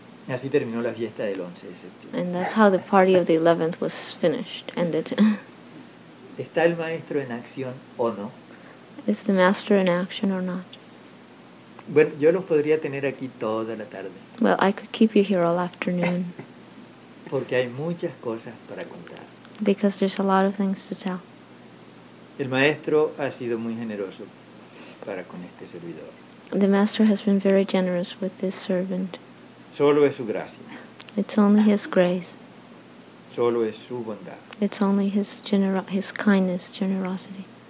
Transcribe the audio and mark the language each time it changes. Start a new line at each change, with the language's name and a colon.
Spanish: Y así terminó la fiesta del 11 de septiembre.
English: And that's how the party of the 11th was finished, ended.
Spanish: ¿Está el maestro en acción o no?
English: Is the master in action or not?
Spanish: Bueno, yo los podría tener aquí toda la tarde.
English: Well, I could keep you here all afternoon.
Spanish: Porque hay muchas cosas para contar.
English: Because there's a lot of things to tell.
Spanish: El maestro ha sido muy generoso para con este servidor.
English: The master has been very generous with this servant.
Spanish: Solo es su gracia.
English: It's only his grace.
Spanish: Solo es su bondad.
English: It's only his kindness, generosity.